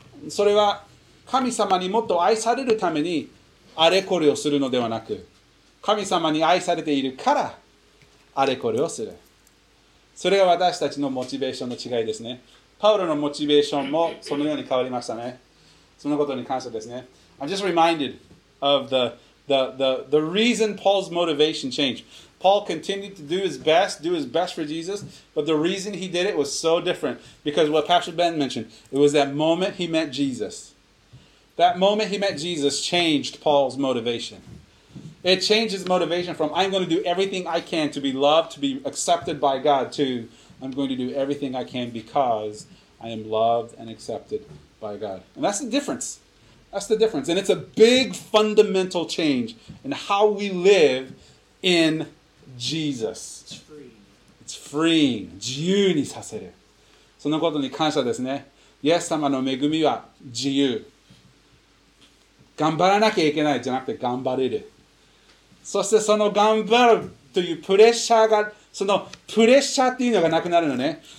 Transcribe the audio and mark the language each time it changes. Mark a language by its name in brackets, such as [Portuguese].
[Japanese] それは、神様にもっと愛されるために、あれこれをするのではなく、神様に愛されているから、あれこれをする。それが私たちのモチベーションの違いですね。パウロのモチベーションもそのように変わりましたね。そのことに感謝ですね。 [English] I'm just reminded of the reason Paul's motivation changed. Paul continued to do his best for Jesus, but the reason he did it was so different. Because what Pastor Ben mentioned, it was that moment he met Jesus. That moment he met Jesus changed Paul's motivation. It changes his motivation from I'm going to do everything I can to be loved, to be accepted by God, to I'm going to do everything I can because I am loved and accepted by God. And that's the difference. That's the difference. And it's a big fundamental change in how we live in Jesus. It's freeing. It's freeing. [Japanese] 自由にさせる。そのことに感謝ですね。イエス様の恵みは自由。頑張らなきゃいけないじゃなくて頑張れる。そしてその頑張るというプレッシャーが、そのプレッシャーっていうのがなくなるのね。